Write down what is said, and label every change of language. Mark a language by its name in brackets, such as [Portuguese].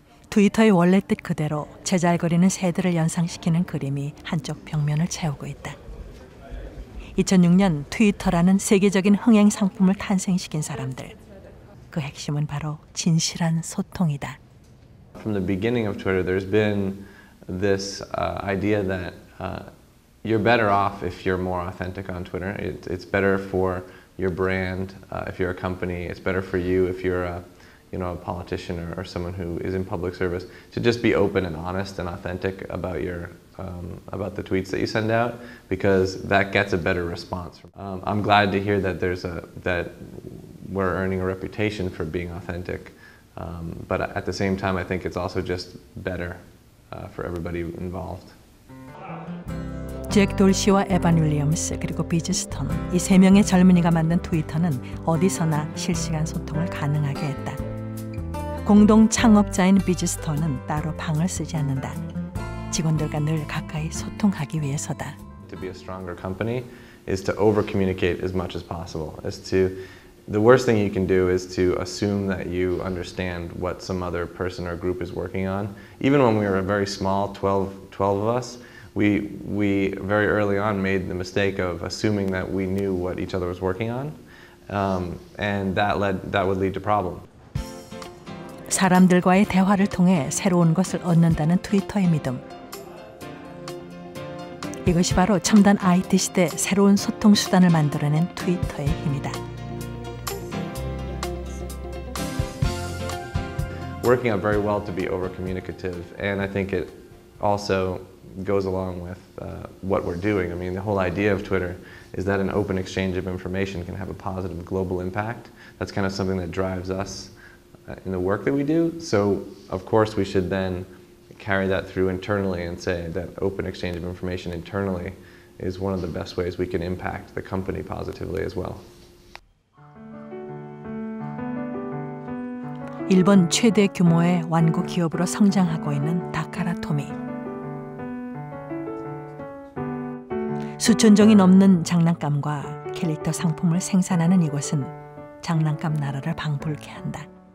[Korean] 트위터의 원래 뜻 그대로 제잘거리는 새들을 연상시키는 그림이 한쪽 벽면을 채우고 있다. 2006년 트위터라는 세계적인 흥행 상품을 탄생시킨 사람들. 그 핵심은 바로 진실한 소통이다. [English] From the beginning of Twitter, there's been this idea that you're better off if you're more authentic on Twitter. It's better for your brand, if you're a company. It's better for you if you're a politician or someone who is in public service to just be open and honest and authentic about your about the tweets that you send out, because that gets a better response. I'm glad to hear that we're earning a reputation for being authentic, but at the same time, I think it's also just better for everybody involved. [Korean] Jack Dorsey와 Evan Williams 그리고 Biz Stone 이 세 명의 젊은이가 만든 트위터는 어디서나 실시간 소통을 가능하게 했다. 공동 창업자인 Biz Stone은 따로 방을 쓰지 않는다. 직원들과 늘 가까이 소통하기 위해서다. [English] To be a stronger company is to over-communicate as much as possible. The worst thing you can do is to assume that you understand what some other person or group is working on. Even when we were a very small 12 of us, we very early on made the mistake of assuming that we knew what each other was working on. And that would lead to problems. [Korean] 사람들과의 대화를 통해 새로운 것을 얻는다는 트위터의 믿음. 이것이 바로 첨단 IT 시대 새로운 소통 수단을 만들어낸 트위터의 힘이다. [English] Working out very well to be over-communicative, and I think it also goes along with what we're doing. I mean, the whole idea of Twitter is that an open exchange of information can have a positive global impact. That's kind of something that drives us in the work that we do. So, of course, we should then carry that through internally and say that open exchange of information internally is one of the best ways we can impact the company positively as well. [Korean] 일본 최대 규모의 완구 기업으로 성장하고 있는 다카라토미. 수천 종이 넘는 장난감과 캐릭터 상품을 생산하는 이곳은 장난감 나라를 방불케 한다.